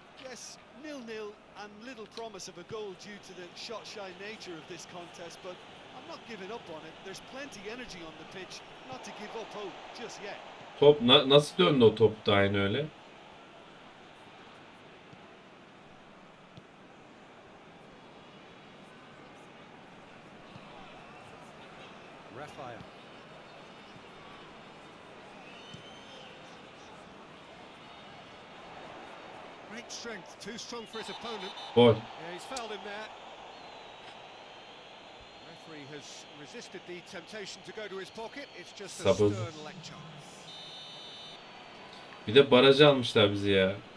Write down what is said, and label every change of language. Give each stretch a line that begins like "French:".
English: Yes, nil-nil and little promise of a goal due to the shot-shy nature of this contest, but I'm not giving up on it. There's plenty energy on the pitch, not to give up hope just yet.
Turkish: Top nasıl döndü o top da aynı öyle.
English: Rafael. Great strength, too strong for his opponent.
Turkish: Gol.
English: Yeah, he's fouled him there. Referee has resisted the temptation to go to his pocket. It's just a
Turkish: Sabırsız.
English: stern lecture.
Turkish: Bir de barajı almışlar bizi ya.